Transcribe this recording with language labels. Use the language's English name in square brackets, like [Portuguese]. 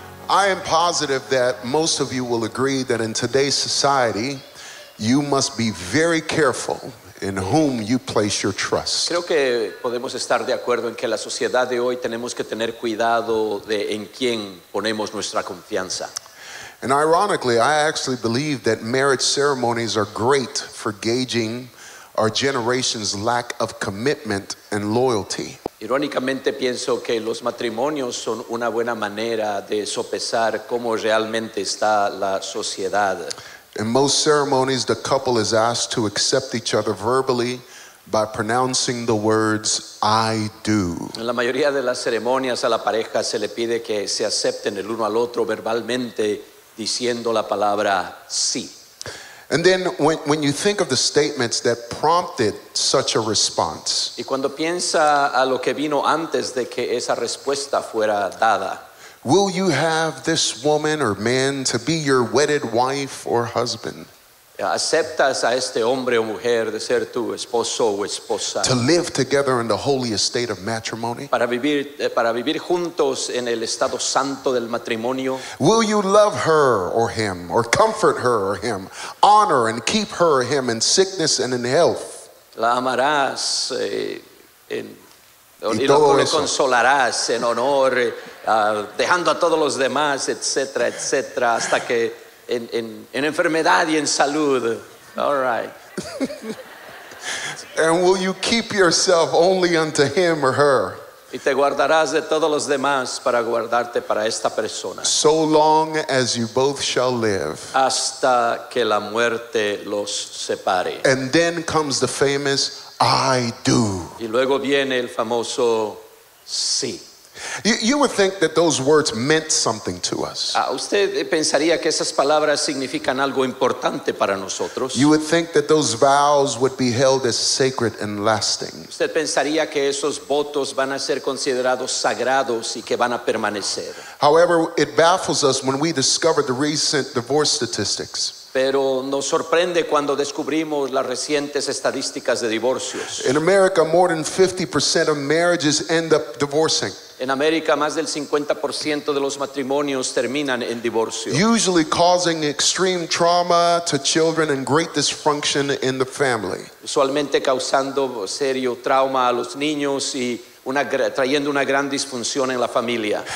[English] I am positive that most of you will agree that in today's society, you must be very careful in whom you place your trust. [Spanish] Creo que podemos estar de acuerdo en que la sociedad de hoy tenemos que tener cuidado de en quién ponemos nuestra confianza. [English] And ironically, I actually believe that marriage ceremonies are great for gauging our generation's lack of commitment and loyalty. [Spanish] Irónicamente pienso que los matrimonios son una buena manera de sopesar cómo realmente está la sociedad. [English] In most ceremonies, the couple is asked to accept each other verbally by pronouncing the words, I do. [Spanish] En la mayoría de las ceremonias a la pareja se le pide que se acepten el uno al otro verbalmente diciendo la palabra sí. [English] And then when you think of the statements that prompted such a response. [Spanish] Y cuando piensa a lo que vino antes de que esa respuesta fuera dada. [English] Will you have this woman or man to be your wedded wife or husband? [Spanish] ¿Aceptas a este hombre o mujer de ser tu esposo o esposa? [English] To live together in the holy estate of matrimony? [Spanish] Para vivir juntos en el estado santo del matrimonio? [English] Will you love her or him, or comfort her or him, honor and keep her or him in sickness and in health? [Spanish] La amarás y lo consolarás en honor, dejando a todos los demás, etcétera, etcétera, hasta que en enfermedad y en salud. [English] All right. And will you keep yourself only unto him or her? [Spanish] Y te guardarás de todos los demás para guardarte para esta persona. [English] So long as you both shall live. [Spanish] Hasta que la muerte los separe. [English] And then comes the famous I do. [Spanish] Y luego viene el famoso sí. [English] You would think that those words meant something to us. [Spanish] Usted pensaría que esas palabras significan algo importante para nosotros. [English] You would think that those vows would be held as sacred and lasting. [Spanish] Usted pensaría que esos votos van a ser considerados sagrados y que van a permanecer. [English] However, it baffles us when we discover the recent divorce statistics. [Spanish] Pero nos sorprende cuando descubrimos las recientes estadísticas de divorcios. [English] In America, more than 50% of marriages end up divorcing. [Spanish] En América, más del 50% de los matrimonios terminan en divorcio. [English] Usually causing extreme trauma to children and great dysfunction in the family. [Spanish] Usualmente causando serio trauma a los niños y trayendo una gran disfunción en la familia.